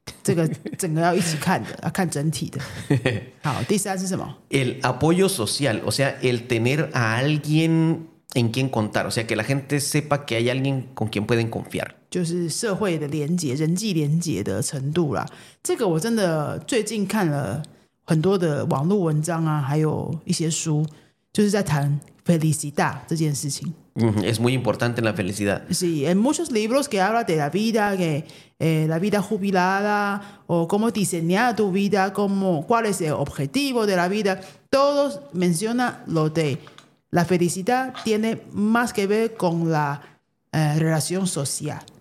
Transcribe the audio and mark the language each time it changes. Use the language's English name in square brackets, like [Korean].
[Chinese] 所以有钱的国家不见得健康嘛，这个整个要一起看的，要看整体的。好，第三是什么？ [Spanish] El apoyo social, o sea, el tener a alguien en quien contar, o sea, que la gente sepa que hay alguien con quien pueden confiar. [Chinese] 就是社会的连结，人际连结的程度啦。这个我真的最近看了。很多的网络文章啊，还有一些书，就是在谈felicidad这件事情。 [Spanish] Es muy importante la felicidad. Sí, en muchos libros que habla de la vida, que la vida jubilada, o cómo diseñar tu vida, cuál es el objetivo de la vida, todos mencionan lo de la felicidad tiene más que ver con la relación social.